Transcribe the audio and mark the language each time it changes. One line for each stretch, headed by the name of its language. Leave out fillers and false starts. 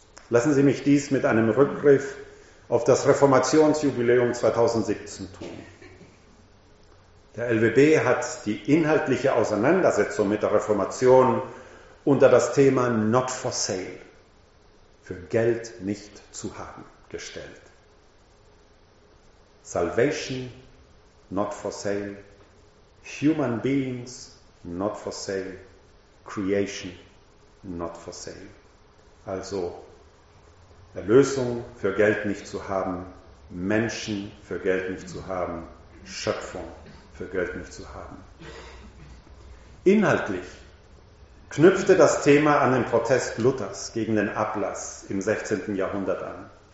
German: Lassen Sie mich dies mit einem Rückgriff auf das Reformationsjubiläum 2017 tun. Der LWB hat die inhaltliche Auseinandersetzung mit der Reformation unter das Thema Not for Sale, für Geld nicht zu haben, gestellt.
English: Salvation, not for sale. Human beings, not for sale. Creation, not for sale.
German: Also Erlösung für Geld nicht zu haben, Menschen für Geld nicht zu haben, Schöpfung für Geld nicht zu haben. Inhaltlich knüpfte das Thema an den Protest Luthers gegen den Ablass im 16. Jahrhundert an.